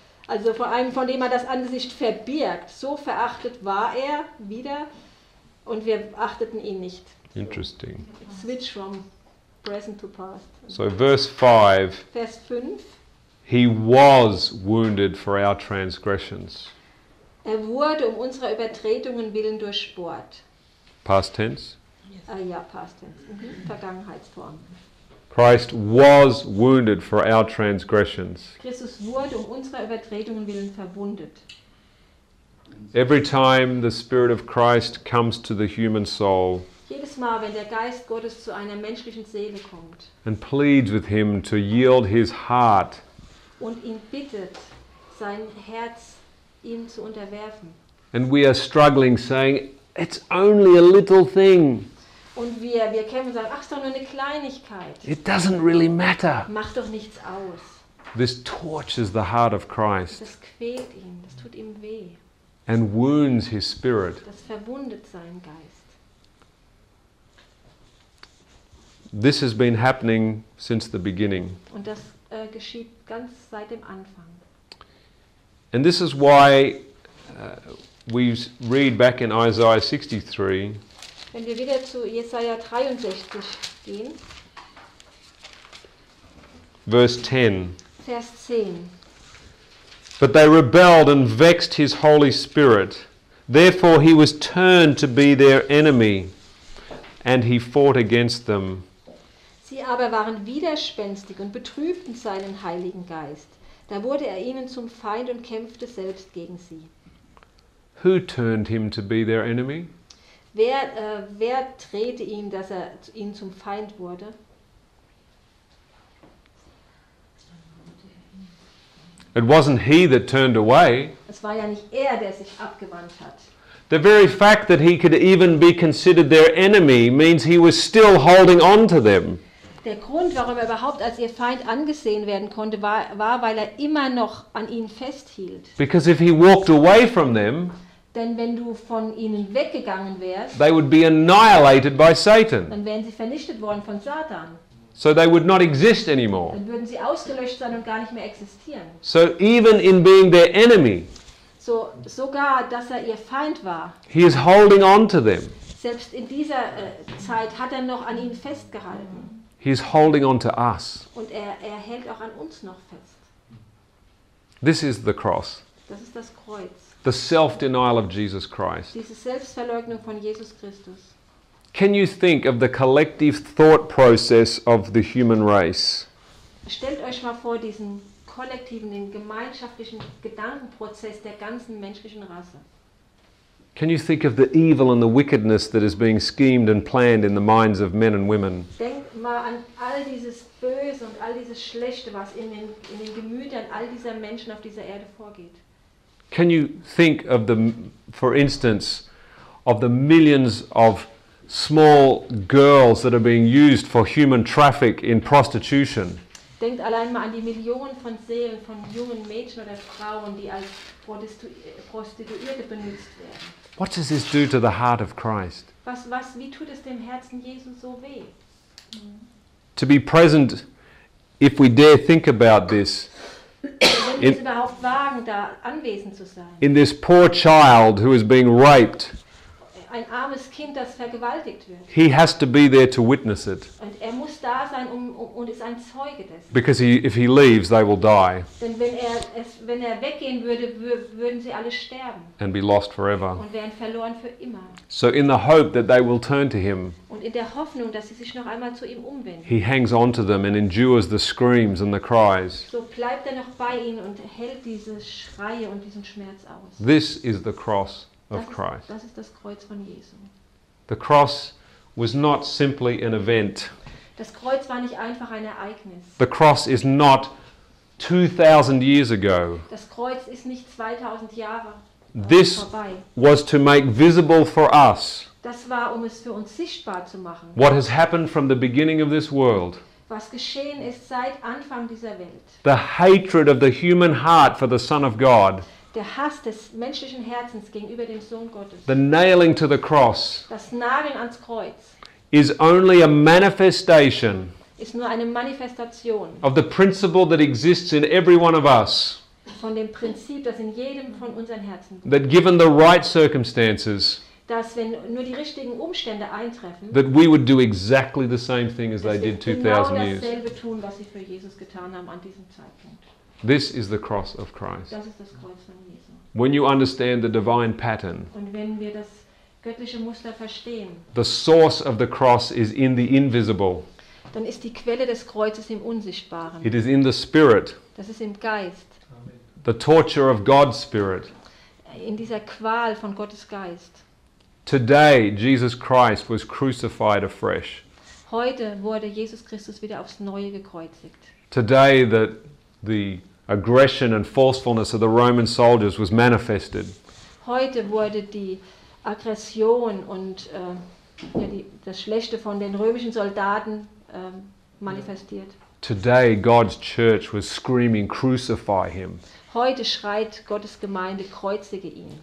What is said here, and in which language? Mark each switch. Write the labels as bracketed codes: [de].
[de] Also vor allem, von dem er das Angesicht verbirgt. So verachtet war er wieder und wir achteten ihn nicht. So. [en] Interesting. Switch from present to past. So verse 5. [de] Vers 5. [en] He was wounded for our transgressions. [de] Er wurde um unserer Übertretungen willen durchbohrt. [en] Past tense? [de] Ja, [en] past tense. [de] Mhm. Vergangenheitsform. [en] Christ was wounded for our transgressions. [de] Christus wurde um unserer Übertretungen willen verwundet. [en] Every time the Spirit of Christ comes to the human soul, [de] jedes Mal, wenn der Geist Gottes zu einer menschlichen Seele kommt, [en] and pleads with him to yield his heart, [de] und ihn bittet, sein Herz ihm zu unterwerfen, [en] and we are struggling, saying, it's only a little thing. [de] Und wir kämpfen und sagen, ach, es ist doch nur eine Kleinigkeit. [en] It doesn't really matter. [de] Macht doch nichts aus. [en] This tortures the heart of Christ. [de] Das quält ihn, das tut ihm weh. [en] And wounds his spirit. [de] Das verwundet seinen Geist. [en] This has been happening since the beginning. [de] Und das geschieht ganz seit dem Anfang. [en] And this is why we read back in Isaiah 63. [de] Wenn wir wieder zu Jesaja 63 gehen. Vers 10. [en] But they rebelled and vexed his Holy Spirit. Therefore he was turned to be their enemy. And he fought against them. [de] Sie aber waren widerspenstig und betrübten seinen Heiligen Geist. Da wurde er ihnen zum Feind und kämpfte selbst gegen sie. [en] Who turned him to be their enemy? [de] Wer drehte ihn, dass er ihn zum Feind wurde? [en] It wasn't he that turned away. [de] Es war ja nicht er, der sich abgewandt hat. [en] The very fact that he could even be considered their enemy means he was still holding on to them. [de] Der Grund, warum er überhaupt als ihr Feind angesehen werden konnte, war weil er immer noch an ihnen festhielt. [en] Because if he walked away from them, [de] denn wenn du von ihnen weggegangen wärst, [en] they would be annihilated by Satan. [de] Dann wären sie vernichtet worden von Satan. [en] So they would not exist anymore. [de] Dann würden sie ausgelöscht sein und gar nicht mehr existieren. [en] So even in being their enemy, [de] so sogar dass er ihr Feind war, [en] he is holding on to them. [de] Selbst in dieser Zeit hat er noch an ihnen festgehalten. [en] He is holding on to us. [de] Und er hält auch an uns noch fest. [en] This is the cross. [de] Das ist das Kreuz. [en] The self-denial of Jesus Christ. [de] Diese Selbstverleugnung von Jesus Christus. [en] Can you think of the collective thought process of the human race? [de] Stellt euch mal vor diesen kollektiven, den gemeinschaftlichen Gedankenprozess der ganzen menschlichen Rasse. [en] Can you think of the evil and the wickedness that is being schemed and planned in the minds of men and women? [de] Denkt mal an all dieses Böse und all dieses Schlechte, was in den Gemütern all dieser Menschen auf dieser Erde vorgeht. [en] Can you think of the, for instance, of the millions of small girls that are being used for human traffic in prostitution? [de] Denkt allein mal an die Millionen von Seelen von jungen Mädchen oder Frauen, die als Prostituierte benutzt werden. [en] What does this do to the heart of Christ? [de] Was wie tut es dem Herzen Jesu so weh? [en] To be present, if we dare think about this. [de] Wenn wir es überhaupt wagen, da anwesend zu sein. [en] In this poor child who is being raped. [de] Ein armes Kind, das vergewaltigt wird. [en] He has to be there to witness it. [de] Und er muss da sein und ist ein Zeuge dessen. [en] Because if he leaves, they will die. [de] Denn wenn er weggehen würde, würden sie alle sterben. [en] And be lost forever. [de] Und wären verloren für immer. [en] So in the hope that they will turn to him. [de] Und in der Hoffnung, dass sie sich noch einmal zu ihm umwenden. [en] He hangs on to them and endures the screams and the cries. [de] So bleibt er noch bei ihnen und hält diese Schreie und diesen Schmerz aus. [en] This is the cross. Of Christ. [de] Das ist das Kreuz von Jesu. [en] The cross was not simply an event. [de] Das Kreuz war nicht einfach ein Ereignis. [en] The cross is not 2,000 years ago. [de] Das Kreuz ist nicht 2,000 Jahre [en] this [de] vorbei. [en] Was to make visible for us. [de] Das war, um es für uns sichtbar zu machen. [en] What has happened from the beginning of this world? [de] Was geschehen ist seit Anfang dieser Welt? [en] The hatred of the human heart for the Son of God. [de] Der Hass des menschlichen Herzens gegenüber dem Sohn Gottes. [en] The nailing to the cross. [de] Das Nageln ans Kreuz. [en] Is only a manifestation. [de] Ist nur eine Manifestation. [en] Of the principle that exists in every one of us. [de] Von dem Prinzip, das in jedem von unseren Herzen. [en] That given the right circumstances. [de] Dass wenn nur die richtigen Umstände eintreffen. [en] That we would do exactly the same thing as they did 2,000 years. [de] Dass wir genau dasselbe tun, was sie für Jesus getan haben an diesem Zeitpunkt. [en] This is the cross of Christ. [de] Das ist das Kreuz von Jesus. [en] When you understand the divine pattern. [de] Und wenn wir das göttliche Muster verstehen. [en] The source of the cross is in the invisible. [de] Dann ist die Quelle des Kreuzes im Unsichtbaren. [en] It is in the spirit. [de] Das ist im Geist. [en] Amen. The torture of God's spirit. [de] In dieser Qual von Gottes Geist. [en] Today Jesus Christ was crucified afresh. [de] Heute wurde Jesus Christus wieder aufs Neue gekreuzigt. [en] Today the aggression and forcefulness of the Roman soldiers was manifested. [de] Heute wurde die Aggression und das Schlechte von den römischen Soldaten manifestiert. [en] Today God's church was screaming, crucify him. [de] Heute schreit Gottes Gemeinde, kreuzige ihn.